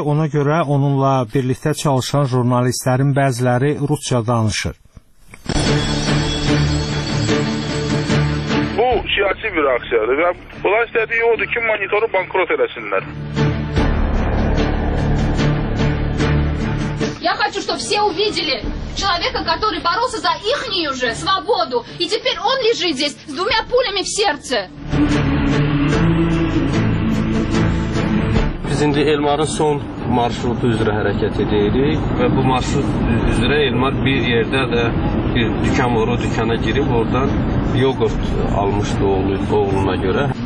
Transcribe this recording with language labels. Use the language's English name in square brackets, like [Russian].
[Azerbaijani] Ona görə onunla birlikdə çalışan jurnalistlərin bəziləri rusca danışır. Bu siyasi bir aksiyadır və bunlar istədiyi odur ki, monitoru bankrot eləsinlər. [Russian] Я хочу, чтобы все увидели человека, который боролся за ихнюю же свободу, и теперь он лежит здесь с двумя пулями в сердце. [Azerbaijani] Biz indi Elmarın son marşrutu üzrə hərəkət edirik və bu marşrut üzrə Elmar bir yerdə də bir dükan var, o dükana girib oradan yoğurt almışdı oğluna görə.